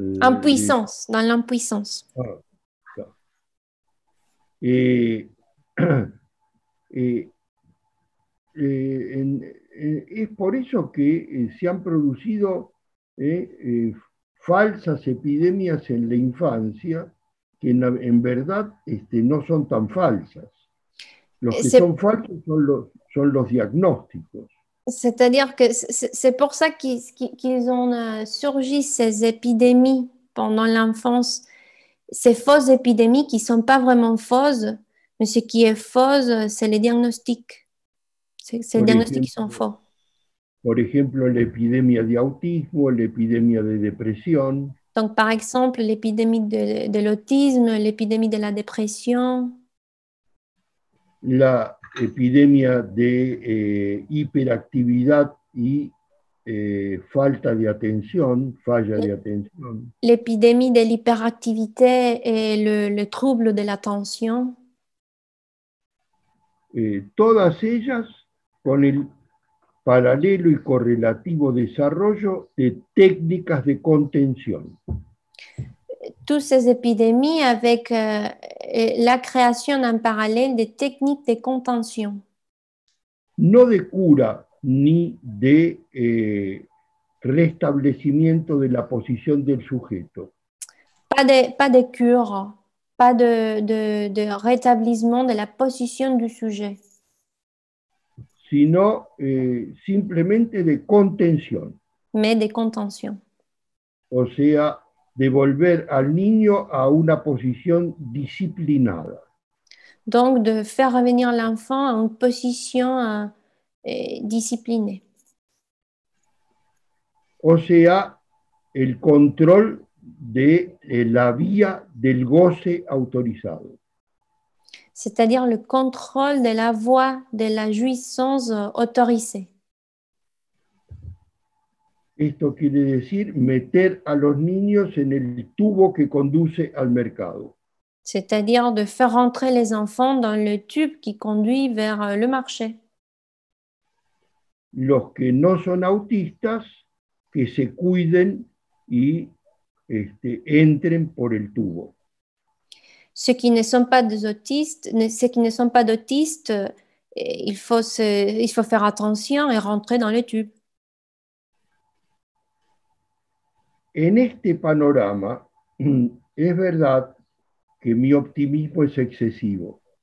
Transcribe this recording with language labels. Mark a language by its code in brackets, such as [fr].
[fr] Impuissance, dans l'impuissance. Voilà. [es] Et por eso que se han producido falsas epidemias en la infancia que en verdad no son tan falsas. Los que son falsos son los diagnósticos. [fr] C'est-à-dire que c'est pour ça qu'ils ont surgi ces épidémies pendant l'enfance, ces fausses épidémies qui ne sont pas vraiment fausses, mais ce qui est fausse, c'est les diagnostics. C'est les diagnostics qui sont faux. Par exemple, l'épidémie d'autisme, l'épidémie de dépression. Donc, par exemple, l'épidémie de l'autisme, l'épidémie de la dépression. [es] La epidemia de hiperactividad y falta de atención, falla de atención. [fr] L'épidémie de l'hyperactivité et le trouble de l'attention. [es] Todas ellas con el paralelo y correlativo desarrollo de técnicas de contención. [fr] Toutes ces épidémies avec la création en parallèle des techniques de contention. [es] No de cura ni de restablecimiento de la posición del sujeto. [fr] Pas de cure, pas de rétablissement de la position du sujet. [es] Sino simplemente de contención. [fr] Mais de contention. [es] O sea, de volver al niño a una posición disciplinada. [fr] Donc de faire revenir l'enfant à une position disciplinée. [es] O sea, el control de la vía del goce autorizado. [fr] C'est-à-dire le contrôle de la voie de la jouissance autorisée. [es] Esto quiere decir meter a los niños en el tubo que conduce al mercado. [fr] C'est-à-dire de faire entrer les enfants dans le tube qui conduit vers le marché. [es] Los que no son autistas, que se cuiden y entren por el tubo. [fr] Ceux qui ne sont pas des autistes, ceux qui ne sont pas d'autistes, il faut faire attention et rentrer dans le tube. [es] En este panorama, es verdad que mi optimismo es excesivo.